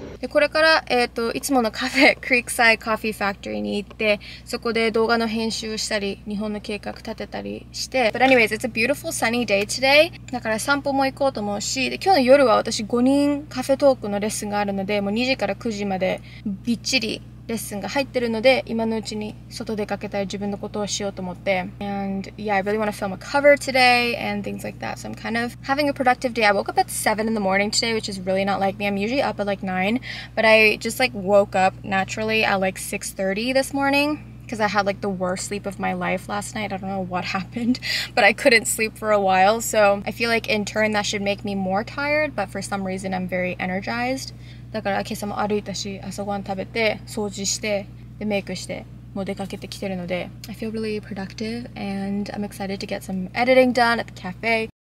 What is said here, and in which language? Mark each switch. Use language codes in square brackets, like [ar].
[ja] これから、いつものカフェ、クリークサイドカフィーファクトリーに行って、そこで動画の編集をしたり、日本の計画立てたりして。 [en] But anyways, it's a beautiful sunny day today. [ja] だから散歩も行こうと思うし、で今日の夜は私5人カフェトークのレッスンがあるので、もう2時から9時までびっちりレッスンが入ってるので、今のうちに外出かけたり自分のことをしようと思って。 [en] And yeah, I really want to film a cover today and things like that. So I'm kind of having a productive day. I woke up at 7 in the morning today, which is really not like me. I'm usually up at like 9, but I just like woke up naturally at like 6:30 this morning because I had like the worst sleep of my life last night. I don't know what happened, but I couldn't sleep for a while. So I feel like in turn that should make me more tired, but for some reason I'm very energized. [ja] だから今朝も歩いたし、朝ごはん食べて、掃除して、でメイクして、もう出かけてきてるので。 [en] I feel really productive and I'm excited to get some editing done at the cafe.